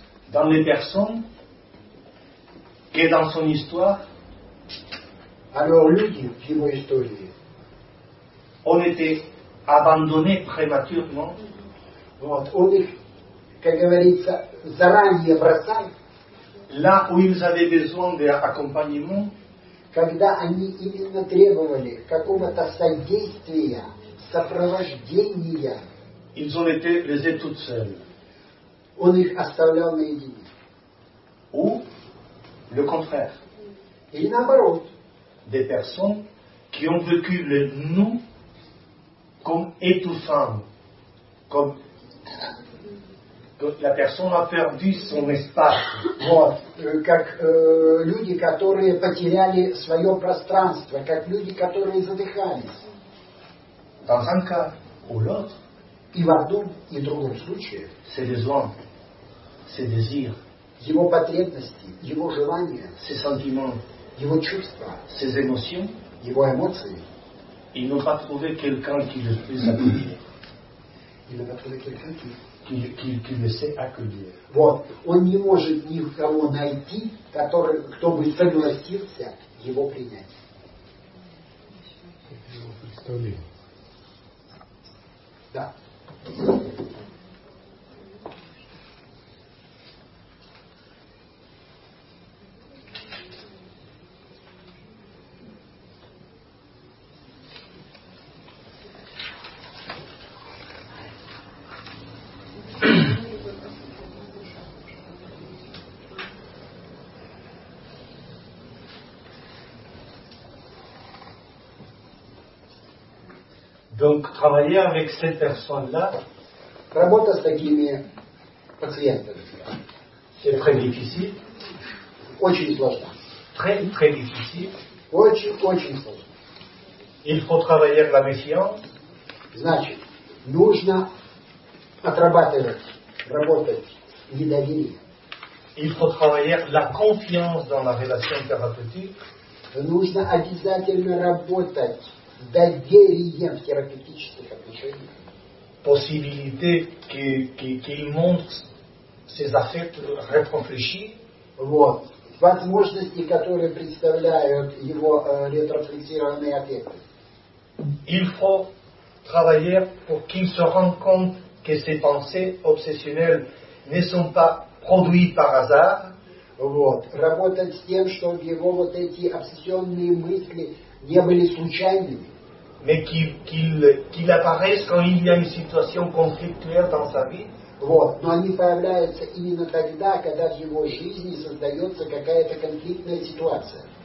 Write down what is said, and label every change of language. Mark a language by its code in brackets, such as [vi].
[fr] dans les personnes que dans son histoire, alors [ru] люди в его истории, [fr] on était abandonnés prématurément, [ru] вот, он их, как говорится, заранее бросает, [fr] là où ils avaient besoin d'accompagnement, [ru] когда они именно требовали какого-то содействия, сопровождения, [fr] ils ont été laissés tout seuls. [ru] Он их оставлял наедине. [fr] Ou le contraire. [ru] Или наоборот. [fr] Des personnes qui ont vécu le nous comme étouffant, comme la personne a perdu son espace. [ru] Вот, как люди, которые потеряли свое пространство, как люди, которые задыхались. [fr] Dans un cas. ou l'autre. [ru] И в одном и другом случае [fr] c'est besoin, c'est désir, [ru] его потребности, его желания, [fr] ses sentiments, [ru] его чувства, [fr] ses émotions, [ru] его эмоции. [fr] Ils n'ont pas trouvé quelqu'un qui le puisse accueillir. Il n'a pas trouvé quelqu'un qui le sait accueillir. [ru] Вот. Он не может никого найти, который, кто бы согласился его принять. Да. [fr] Donc travailler avec cette personne-là, [ru] работа с такими пациентами, [fr] c'est très difficile, [ru] очень сложно, [fr] très très difficile, [ru] очень очень сложно. [fr] Il faut travailler la méfiance, [ru] значит, нужно отрабатывать, работать недоверие. [fr] Il faut travailler la confiance dans la relation thérapeutique, [ru] нужно обязательно работать доверием в терапевтических отношениях. [fr] Possibilité qu'il montre ses affects réfléchis. [ru] Вот. Возможности, которые представляют его ретрофлексированные аффекты. [fr] Il faut travailler pour qu'il se rende compte que ses pensées obsessionnelles ne sont pas produites par hasard. [ru] Вот. Работать с тем, чтобы его вот эти обсессионные мысли не были случайными. [fr] Mais qu'il apparaisse quand il y a une situation conflictuelle dans sa vie. [ru] Вот. Но они появляются именно тогда, когда в его жизни создается какая-то конфликтная ситуация.